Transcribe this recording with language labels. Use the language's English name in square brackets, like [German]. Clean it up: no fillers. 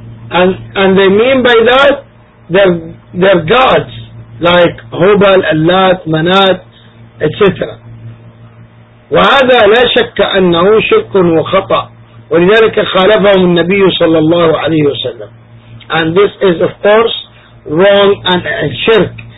[English] And they mean by that their gods like Hubal, Allat, Manat, etc. [Arabic] وهذا لا شك أنه شرك وخطأ، ولذلك خالفهم النبي صلى الله عليه وسلم. [English] And this is of course wrong and shirk.